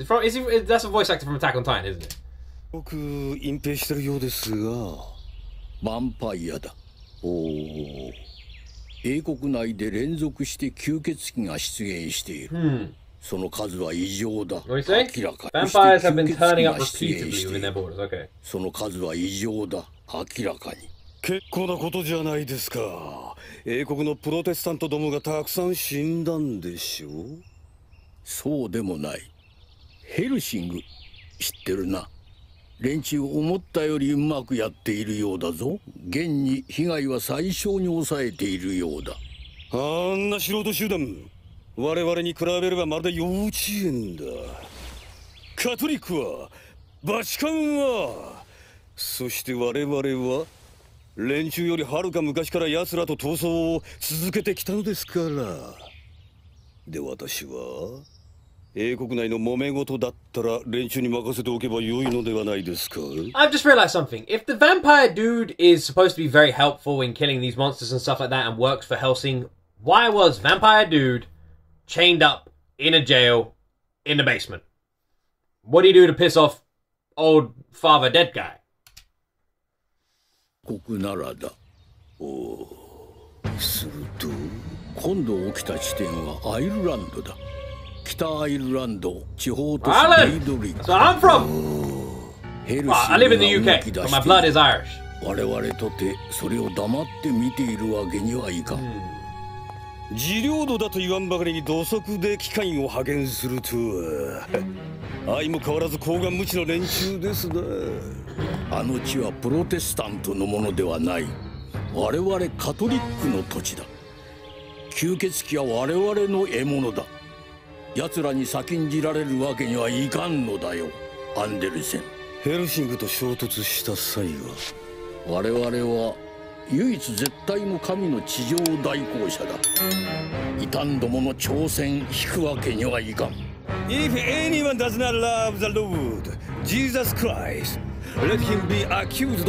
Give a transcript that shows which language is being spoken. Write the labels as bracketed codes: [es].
[en] That's a voice actor from Attack on Titan, isn't it? [ja] 僕隠蔽してるようですが、ヴァンパイアだ。おお。英国内で連続して吸血鬼が出現している。その数は異常だ。明らかに。 [en] Vampires have been turning up repeatedly within their borders. Okay. [ja] その数は異常だ。明らかに。結構なことじゃないですか。英国のプロテスタントどもがたくさん死んだんでしょう。そうでもない。ヘルシング、知ってるな。連中思ったよりうまくやっているようだぞ。現に被害は最小に抑えているようだ。あんな素人集団、我々に比べればまるで幼稚園だ。カトリックは、バチカンは、そして我々は、連中よりはるか昔から奴らと闘争を続けてきたのですから。で、私は英国内の揉め事だったら連中に任せておけば良いのではないですか。 [en] I've just realized something. If the vampire dude is supposed to be very helpful in killing these monsters and stuff like that and works for Hellsing, why was vampire dude chained up in a jail in the basement? What do you do to piss off old father dead guy? [ja] ここならだ。おお。すると今度起きた地点はアイルランドだ。北アイルランド地方都市 [en] デイドリック。Ireland. So I'm from. [ja] ヘルシーが動き出して。 [en] Well, I live in the UK. My blood is Irish. [ja] 我々とてそれを黙って見ているわけにはいかん。自領土だと言わんばかりに土足で機関を派遣するとは。相も変わらず高顔無恥の練習ですな。あの地はプロテスタントのものではない。我々カトリックの土地だ。吸血鬼は我々の獲物だ。奴らに先んじられるわけにはいかんのだよ、アンデルセン。ヘルシングと衝突した際は我々は唯一絶対の神の地上代行者だ。傷んどもの挑戦引くわけにはいかん。 [en] If anyone does not love the Lord Jesus Christ, let him be accused.